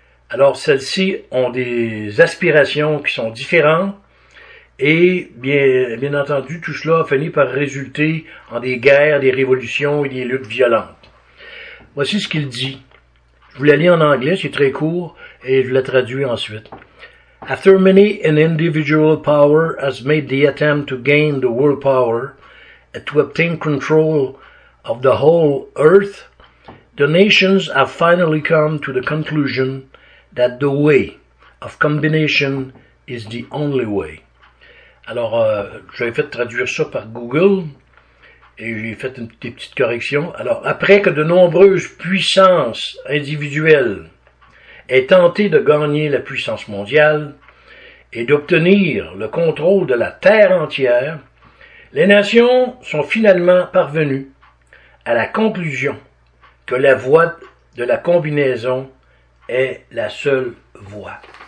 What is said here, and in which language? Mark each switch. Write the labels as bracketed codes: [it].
[fr] Alors, celles-ci ont des aspirations qui sont différentes et, bien entendu, tout cela a fini par résulter en des guerres, des révolutions et des luttes violentes. Voici ce qu'il dit. Je vous la lis en anglais, c'est très court, et je la traduis ensuite. [en] After many an individual power has made the attempt to gain the world power and to obtain control of the whole earth, the nations have finally come to the conclusion that the way of combination is the only way. [fr] Alors, j'avais fait traduire ça par Google et j'ai fait des petites corrections. Alors, après que de nombreuses puissances individuelles aient tenté de gagner la puissance mondiale et d'obtenir le contrôle de la terre entière, les nations sont finalement parvenues à la conclusion que la voie de la combinaison est la seule voie.